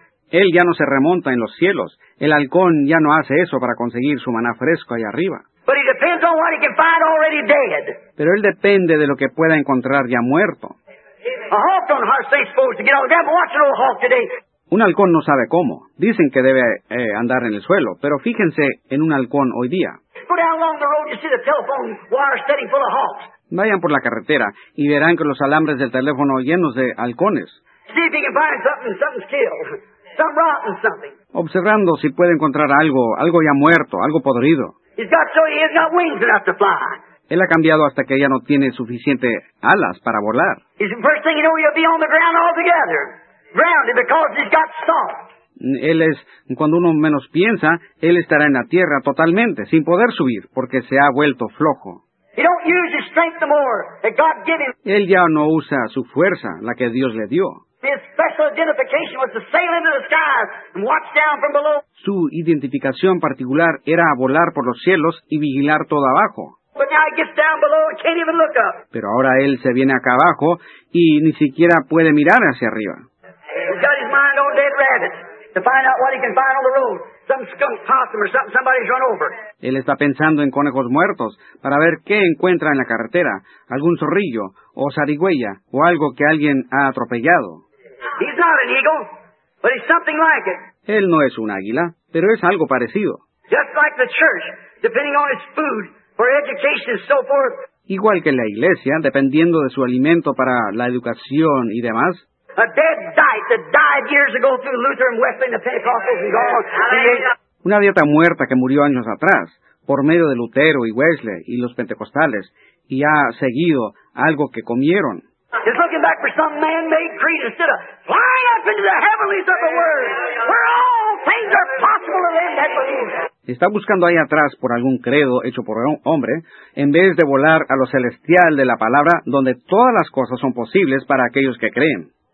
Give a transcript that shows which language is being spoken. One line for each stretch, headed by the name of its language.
Spanish: Él ya no se remonta en los cielos. El halcón ya no hace eso para conseguir su maná fresco ahí arriba.
English: But he depends on what he can find already dead.
Spanish: Pero él depende de lo que pueda encontrar ya muerto.
English: A hawk don't hardly say supposed to get out there, but watch an old hawk today.
Spanish: Un halcón no sabe cómo. Dicen que debe andar en el suelo, pero fíjense en un halcón hoy día.
English: Go down along the road, you see the telephone wire standing full of hawks.
Spanish: Vayan por la carretera y verán que los alambres del teléfono llenos de halcones.
English: See if you can find something killed, something rotten, something.
Spanish: Observando si puede encontrar algo, algo ya muerto, algo podrido.
English: He's got so he has got wings enough to fly.
Spanish: Él ha cambiado hasta que ya no tiene suficiente alas para volar.
English: He's the first thing you know, he'll be on the ground altogether. Grounded because he's got soft.
Spanish: Él es, cuando uno menos piensa, él estará en la tierra totalmente, sin poder subir, porque se ha vuelto flojo.
English: He don't use his strength no more that God gave him.
Spanish: Él ya no usa su fuerza, la que Dios le dio.
English: His special identification was to sail into the skies and watch down from below.
Spanish: Su identificación particular era volar por los cielos y vigilar todo abajo.
English: But now he gets down below and can't even look up.
Spanish: Pero ahora él se viene acá abajo y ni siquiera puede mirar hacia arriba.
English: He's got his mind on dead rabbits to find out what he can find on the road. Some skunk possum or something somebody's run over.
Spanish: Él está pensando en conejos muertos para ver qué encuentra en la carretera. Algún zorrillo o zarigüeya o algo que alguien ha atropellado.
English: He's not an eagle, but he's something like it.
Spanish: Él no es un águila, pero es algo parecido.
English: Just like the church, depending on its food for education and so forth.
Spanish: Igual que la iglesia, dependiendo de su alimento para la educación y demás.
English: A dead diet that died years ago through Luther and Wesley and the Pentecostals and gone.
Spanish: Una dieta muerta que murió años atrás, por medio de Lutero y Wesley y los pentecostales, y ha seguido algo que comieron.
English: He's looking back for some man-made creed instead of flying up into the heavenlies of the Word, where all things are possible to them that believe.
Spanish: Está buscando ahí atrás por algún credo hecho por un hombre, en vez de volar a lo celestial de la palabra, donde todas las cosas son posibles para aquellos que creen.